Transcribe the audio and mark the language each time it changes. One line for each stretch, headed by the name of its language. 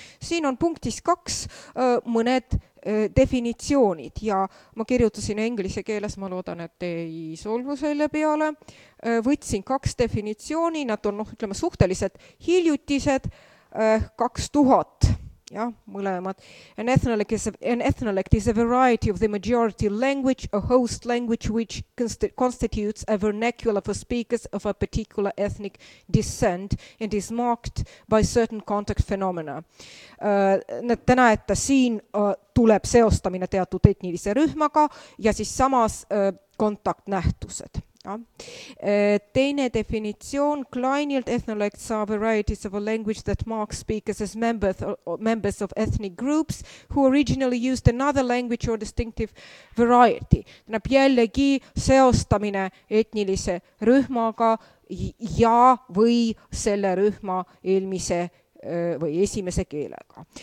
Estonian: Siin on punktis kaks mõned definitsioonid ja ma kirjutasin inglise keeles, ma loodan, et ei solvu selle peale. Võtsin kaks definitsiooni, nad on ütleme, suhteliselt hiljutised, 2000 Jah, mõlemad.
English: An ethnolect is a variety of the majority language, a host language which constitutes a vernacular for speakers of a particular ethnic descent and is marked by certain contact phenomena.
Estonian: Te näete, siin tuleb seostamine teatud etnilise rühmaga ja siis samas kontaktnähtused. Ja. Teine definitsioon,
English: colonial ethnolects are varieties of a language that mark speakers as members of ethnic groups who originally used another language or distinctive variety.
Estonian: Tähendab jällegi seostamine etnilise rühmaga ja või selle rühma eelmise või esimese keelega.